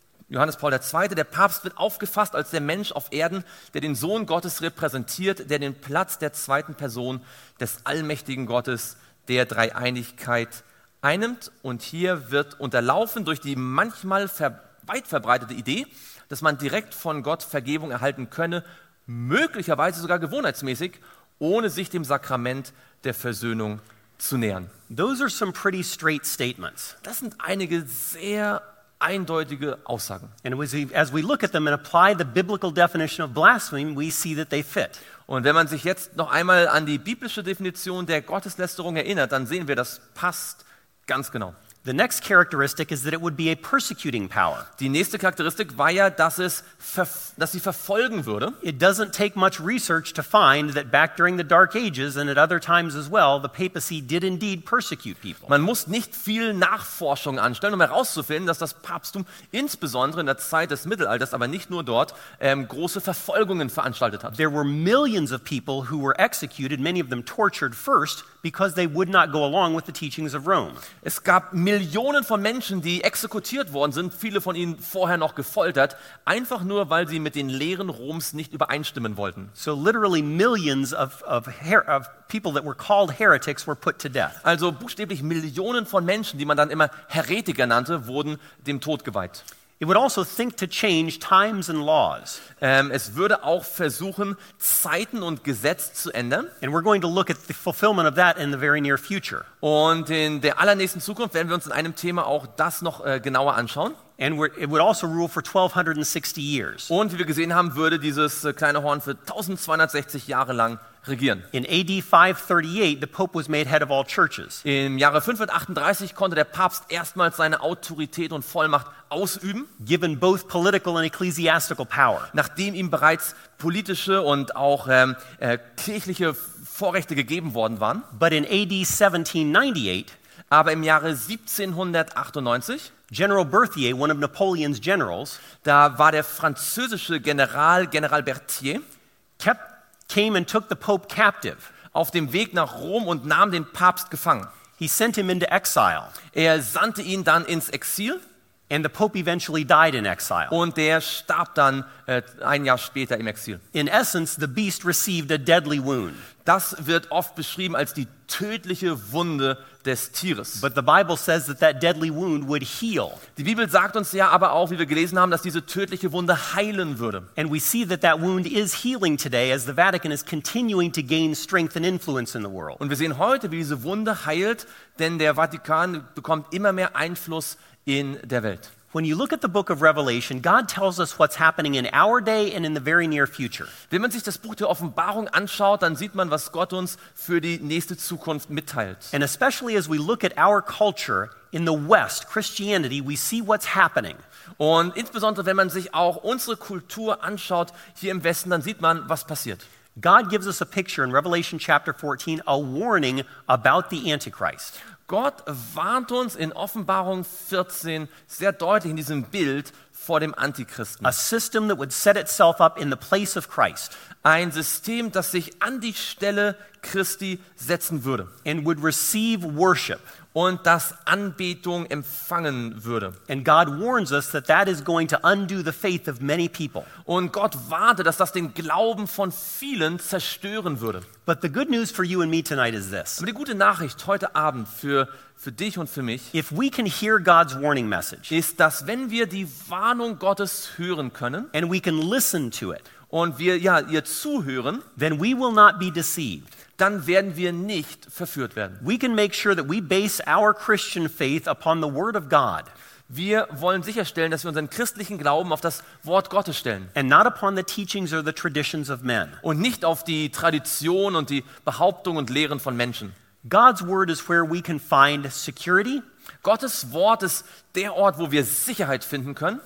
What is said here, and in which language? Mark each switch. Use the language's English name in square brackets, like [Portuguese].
[German] Johannes Paul II., der Papst wird aufgefasst als der Mensch auf Erden, der den Sohn Gottes repräsentiert, der den Platz der zweiten Person des allmächtigen Gottes der Dreieinigkeit einnimmt. Und hier wird unterlaufen durch die manchmal weit verbreitete Idee, dass man direkt von Gott Vergebung erhalten könne, möglicherweise sogar gewohnheitsmäßig, ohne sich dem Sakrament der Versöhnung zu nähern. [English] Those are some pretty straight statements. [German] Das sind einige sehr eindeutige Aussagen. [English] And as we look at them and apply the biblical definition of blasphemy, we see that they fit. [German] Und wenn man sich jetzt noch einmal an die biblische Definition der Gotteslästerung erinnert, dann sehen wir, das passt ganz genau. [English] The next characteristic is that it would be a persecuting power. [German] Die nächste Charakteristik war ja, dass sie verfolgen würde. [English] It doesn't take much research to find that back during the Dark Ages and at other times as well, the papacy did indeed persecute people. [German] Man muss nicht viel Nachforschung anstellen, um herauszufinden, dass das Papsttum insbesondere in der Zeit des Mittelalters, aber nicht nur dort, große Verfolgungen veranstaltet hat. [English] There were millions of people who were executed, many of them tortured first, because they would not go along with the teachings of Rome. [German] Es gab Millionen von Menschen, die exekutiert worden sind, viele von ihnen vorher noch gefoltert, einfach nur, weil sie mit den Lehren Roms nicht übereinstimmen wollten. [English] So literally millions of people that were called heretics were put to death. [German] Also buchstäblich Millionen von Menschen, die man dann immer Heretiker nannte, wurden dem Tod geweiht. [English] It would also think to change times and laws. [German] Es würde auch versuchen, Zeiten und Gesetze zu ändern. [English] And we're going to look at the fulfillment of that in the very near future. [German] Und in der allernächsten Zukunft werden wir uns in einem Thema auch das noch genauer anschauen. [English] And it would also rule for 1260 years. [German] Und wie wir gesehen haben, würde dieses kleine Horn für 1260 Jahre lang regieren. [English] In AD 538, the Pope was made head of all churches. [German] Im Jahre 538 konnte der Papst erstmals seine Autorität und Vollmacht ausüben, [English] given both political and ecclesiastical power. [German] Nachdem ihm bereits politische und auch kirchliche Vorrechte gegeben worden waren. [English] But in AD 1798, [German] aber im Jahre 1798, [English] General Berthier, one of Napoleon's generals, [German] da war der französische General, General Berthier, [English] came and took the Pope captive, [German] auf dem Weg nach Rom und nahm den Papst gefangen. [English] He sent him into exile. [German] Er sandte ihn dann ins Exil. [English] And the Pope eventually died in exile. [German] Und der starb dann ein Jahr später im Exil. [English] In essence, the beast received a deadly wound. [German] Das wird oft beschrieben als die tödliche Wunde des Tieres. [English] But the Bible says that that deadly wound would heal. [German] Die Bibel sagt uns ja aber auch, wie wir gelesen haben, dass diese tödliche Wunde heilen würde. [English] And we see that that wound is healing today as the Vatican is continuing to gain strength and influence in the world. [German] Und wir sehen heute, wie diese Wunde heilt, denn der Vatikan bekommt immer mehr Einfluss in der Welt. [English] When you look at the book of Revelation, God tells us what's happening in our day and in the very near future. [German] Wenn man sich das Buch der Offenbarung anschaut, dann sieht man, was Gott uns für die nächste Zukunft mitteilt. [English] And especially as we look at our culture in the West, Christianity, we see what's happening. [German] Und insbesondere wenn man sich auch unsere Kultur anschaut hier im Westen, dann sieht man, was passiert. [English] God gives us a picture in Revelation chapter 14, a warning about the Antichrist. [German] Gott warnt uns in Offenbarung 14 sehr deutlich in diesem Bild vor dem Antichristen. [English] A system that would set itself up in the place of Christ. [German] Ein System, das sich an die Stelle Christi setzen würde. [English] And would receive worship. [German] Und das Anbetung empfangen würde. [English] And God warns us that that is going to undo the faith of many people. [German] Und Gott warnte, dass das den Glauben von vielen zerstören würde. [English] But the good news for you and me tonight is this. [German] Aber die gute Nachricht heute Abend für dich und für mich, [English] if we can hear God's warning message, [German] ist, dass wenn wir die Warnung Gottes hören können, [English] and we can listen to it, [German] und wir ja ihr zuhören, [English] then we will not be deceived. [German] Dann werden wir nicht verführt werden. [English] We can make sure that we base our Christian faith upon the word of God. [German] Wir wollen sicherstellen, dass wir unseren christlichen Glauben auf das Wort Gottes stellen. [English] And not upon the teachings or the traditions of men. [German] Und nicht auf die Tradition und die Behauptungen und Lehren von Menschen. [English] God's word is where we can find security. [German] Gottes Wort ist der Ort, wo wir Sicherheit finden können.